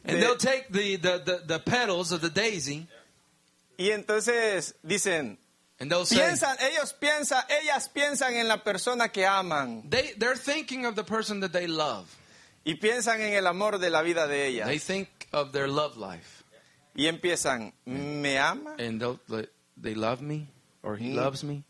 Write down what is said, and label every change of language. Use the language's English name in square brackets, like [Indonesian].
[English] And they'll take the petals of the daisy. [Spanish] Y entonces dicen. [English] And they'll [Spanish] piensan, [English] say, [Spanish] ellas piensan en la persona que aman. [English] They're thinking of the person that they love. [Spanish] Y piensan en el amor de la vida de ellas. [English] They think of their love life. [Spanish] Y empiezan, ¿me ama? [English] And they love me, or he loves me.